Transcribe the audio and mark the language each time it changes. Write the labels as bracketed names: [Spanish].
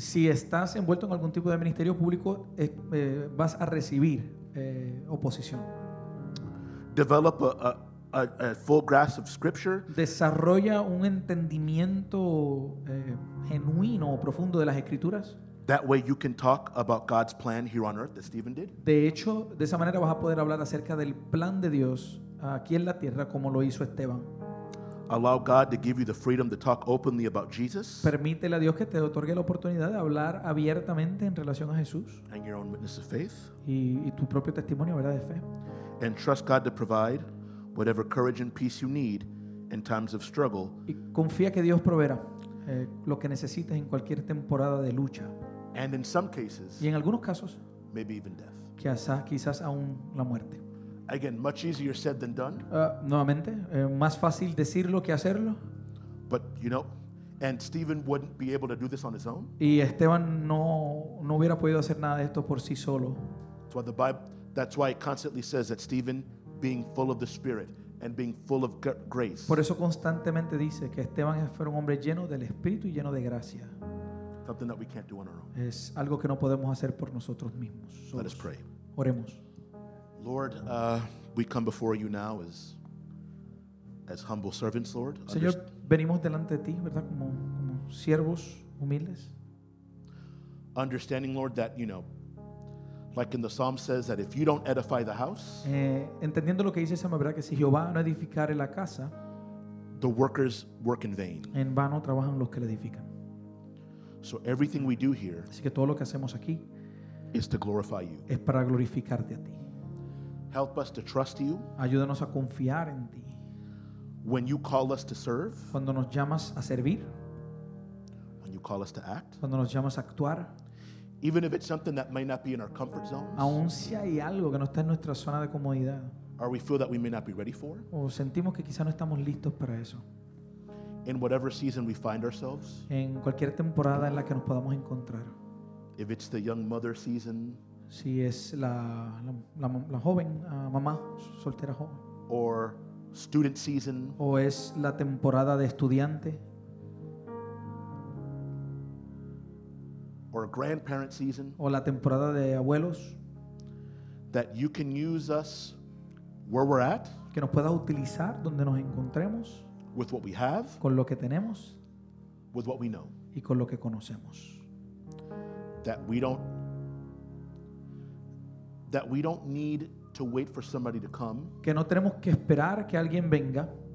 [Spanish] Si estás envuelto en algún tipo de ministerio público, vas a recibir oposición. [English] Develop a full grasp of scripture. [Spanish] Desarrolla un entendimiento genuino o profundo de las escrituras. [English] That way you can talk about God's plan here on earth, as Stephen did. [Spanish] De hecho, de esa manera vas a poder hablar acerca del plan de Dios aquí en la tierra, como lo hizo Esteban. [English] Allow God to give you the freedom to talk openly about Jesus. [Spanish] Permítele a Dios que te otorgue la oportunidad de hablar abiertamente en relación a Jesús. [English] And your own witness of faith. [Spanish] Y tu propio testimonio, ¿verdad?, de fe. [English] And trust God to provide whatever courage and peace you need in times of struggle. [Spanish] Y confía que Dios proveerá lo que necesites en cualquier temporada de lucha. [English] And in some cases, [Spanish] y en algunos casos, [English] maybe even death. [Spanish] Quizás aún la muerte. [English] Again, much easier said than done. [Spanish] Nuevamente, más fácil decirlo que hacerlo. [English] But you know, and Stephen wouldn't be able to do this on his own. [Spanish] Y Esteban no hubiera podido hacer nada de esto por sí solo. [English] That's why it constantly says that Stephen, being full of the Spirit and being full of grace. [Spanish] Por eso constantemente dice que Esteban fue un hombre lleno del Espíritu y lleno de gracia. [English] Something that we can't do on our own. [Spanish] Es algo que no podemos hacer por nosotros mismos. [English] Let us pray. [Spanish] Oremos. [English] Lord, we come before you now as humble servants, Lord. [Spanish] Señor, venimos delante de ti, ¿verdad?, como siervos humildes. [English] Understanding, Lord, that, you know, like in the psalm says, that if you don't edify the house, [Spanish] entendiendo lo que dice el salmo, ¿verdad?, que si Jehová no edificare la casa, [English] the workers work in vain. [Spanish] En vano trabajan los que la edifican. [English] So everything we do here, [Spanish] así que todo lo que hacemos aquí, [English] is to glorify you. [Spanish] Es para glorificarte a ti. [English] Help us to trust you. [Spanish] Ayúdanos a confiar en ti. [English] When you call us to serve. [Spanish] Cuando nos llamas a servir. [English] When you call us to act. [Spanish] Cuando nos llamas a actuar. [English] Even if it's something that may not be in our comfort zones. [Spanish] Aún si hay algo que no está en nuestra zona de comodidad. [English] Or we feel that we may not be ready for. [Spanish] O sentimos que quizá no estamos listos para eso. [English] In whatever season we find ourselves. [Spanish] En cualquier temporada en la que nos podamos encontrar. [English] If it's the young mother season. [Spanish] Si es la joven, mamá soltera joven. [English] Or student season. [Spanish] O es la temporada de estudiante. [English] Or grandparent season. [Spanish] O la temporada de abuelos. [English] That you can use us where we're at. [Spanish] Que nos puedas utilizar donde nos encontremos. [English] With what we have. [Spanish] Con lo que tenemos. [English] With what we know. [Spanish] Y con lo que conocemos. [English] That we don't need to wait for somebody to come. [Spanish] Que no tenemos que esperar que alguien venga.